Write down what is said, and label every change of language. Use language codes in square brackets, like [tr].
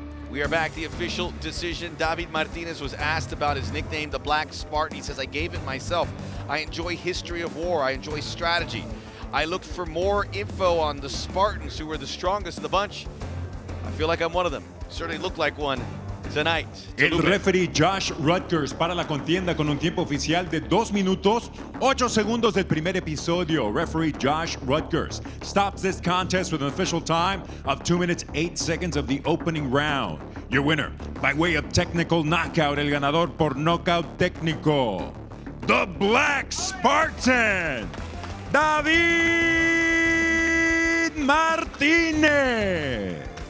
[en] We are back. The official decision. David Martinez was asked about his nickname, the Black Spartan. He says, I gave it myself. I enjoy history of war. I enjoy strategy. I looked for more info on the Spartans, who were the strongest of the bunch. I feel like I'm one of them. Certainly looked like one tonight. [es] El referee Josh Rutgers para la contienda con un tiempo oficial de 2 minutos, 8 segundos del primer episodio. [en] Referee Josh Rutgers stops this contest with an official time of 2 minutes, 8 seconds of the opening round. Your winner, by way of technical knockout, [es] el ganador por knockout técnico, [en] the Black Spartan, David Martinez.